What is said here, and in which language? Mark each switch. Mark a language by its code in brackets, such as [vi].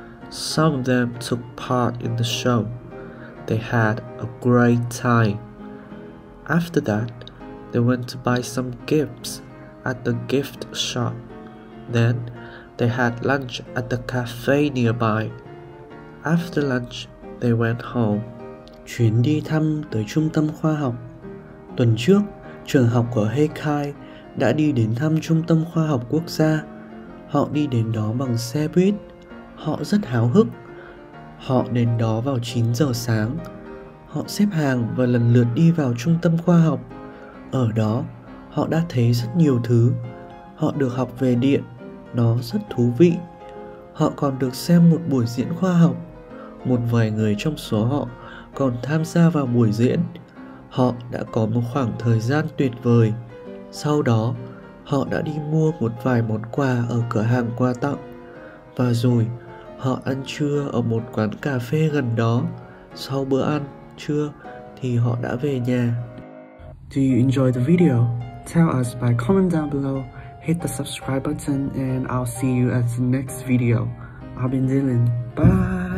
[en] Some of them took part in the show. They had a great time. After that, they went to buy some gifts at the gift shop. Then, they had lunch at the cafe nearby. After lunch, they went home. [vi] Chuyến đi thăm tới trung tâm khoa học. Tuần trước, trường học của Heikai đã đi đến thăm trung tâm khoa học quốc gia. Họ đi đến đó bằng xe buýt. Họ rất háo hức. Họ đến đó vào 9 giờ sáng. Họ xếp hàng và lần lượt đi vào trung tâm khoa học. Ở đó, họ đã thấy rất nhiều thứ. Họ được học về điện. Nó rất thú vị. Họ còn được xem một buổi diễn khoa học. Một vài người trong số họ còn tham gia vào buổi diễn. Họ đã có một khoảng thời gian tuyệt vời. Sau đó, họ đã đi mua một vài món quà ở cửa hàng quà tặng. Và rồi, họ ăn trưa ở một quán cà phê gần đó. Sau bữa ăn trưa thì họ đã về nhà. [en] Do you enjoy the video? Tell us by comment down below, hit the subscribe button, and I'll see you at the next video. I've been Dylan. Bye!